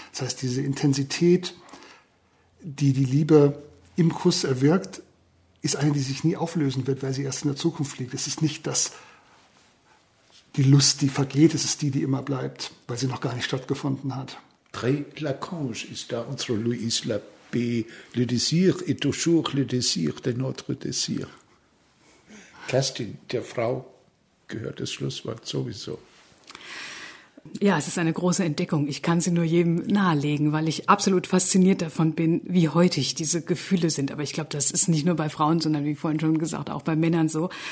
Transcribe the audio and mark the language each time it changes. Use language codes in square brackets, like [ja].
[de] Das heißt, diese Intensität, die die Liebe im Kuss erwirkt, ist eine, die sich nie auflösen wird, weil sie erst in der Zukunft liegt. Es ist nicht das, die Lust, die vergeht. Es ist die, die immer bleibt, weil sie noch gar nicht stattgefunden hat. [fr] Très Lacanche [de] ist da unsere Louise Labé. [fr] Le désir est toujours le désir de notre désir. [de] Kerstin, der Frau gehört das Schlusswort sowieso. Ja, es ist eine große Entdeckung. Ich kann sie nur jedem nahelegen, weil ich absolut fasziniert davon bin, wie häutig diese Gefühle sind. Aber ich glaube, das ist nicht nur bei Frauen, sondern wie vorhin schon gesagt, auch bei Männern so.